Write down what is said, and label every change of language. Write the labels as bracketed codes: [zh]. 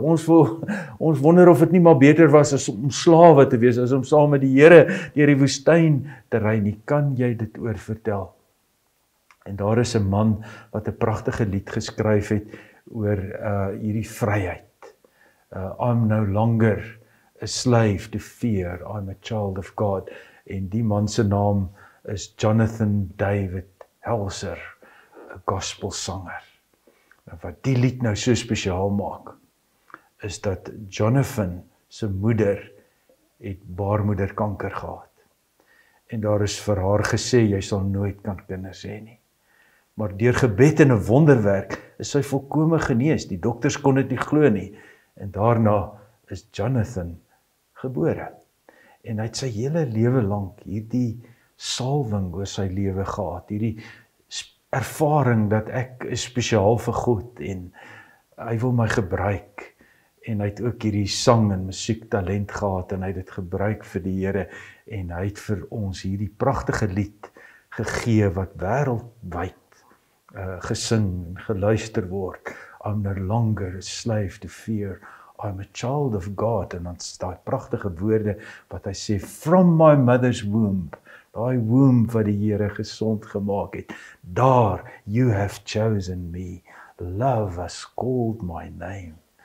[af] Ons wonder of het nie maar beter was as om slawe te wees, as om saam met die Here deur die woestyn te ry nie. Kan jy dit oorvertel? En daar is 'n man wat 'n pragtige lied geskryf het oor hierdie vryheid. [en] I'm no longer a slave to fear, I'm a child of God. [af] En die man se naam is Jonathan David Helser, 'n gospelsanger. Wat die lied nou so spesiaal maak, is dat Jonathan se moeder het baarmoederkanker gehad. En daar is vir haar gesê, jy sal nooit kan kinders hê nie. Maar deur gebed en 'n wonderwerk is sy volkome genees. Die dokters kon dit nie glo nie. En daarna is Jonathan gebore. En hy het sy hele lewe lank hierdie salwing oor sy lewe gehad. Hierdie ervaring dat ek is spesiaal vir God en hy wil my gebruik. En hy het ook hierdie sang en musiek talent gehad en hy het dit gebruik vir die Here en hy het vir ons hierdie pragtige lied gegee wat wêreldwyd gesing en geluister word. [en] I'm no longer a slave to fear. I'm a child of God. [af] En dan staan pragtige woorde wat hy sê, [en] from my mother's womb, [af] daai womb wat die Here gesond gemaak het, daar, [en] you have chosen me. Love has called my name.